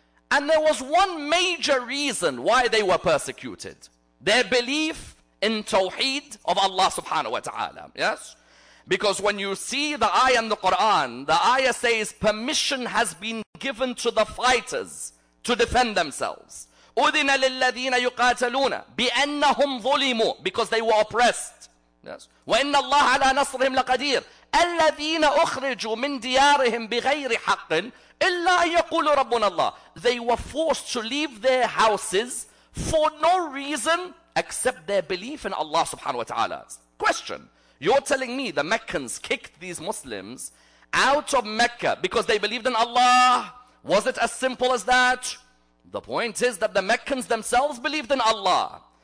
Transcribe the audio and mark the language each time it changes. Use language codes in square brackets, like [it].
[en] And there was one major reason why they were persecuted. Their belief in Tawheed of Allah subhanahu wa ta'ala. Yes? Because when you see the ayah in the ayah says, permission has been given to the fighters to defend themselves. [ar] أُذِنَ لِلَّذِينَ يُقَاتَلُونَ بِأَنَّهُمْ ظُلِمُوا. [en] Because they were oppressed. Yes. [ar] وَإِنَّ اللَّهَ عَلَى نَصْرِهِمْ لَقَدِيرٌ. الذين أخرجوا من ديارهم بغير حق إلا أن يقول ربنا الله. [en] They were forced to leave their houses for no reason except their belief in Allah subhanahu wa ta'ala. Question. You're telling me the Meccans kicked these Muslims out of Mecca because they believed in Allah? Was it as simple as that? The point is that the Meccans themselves believed in Allah.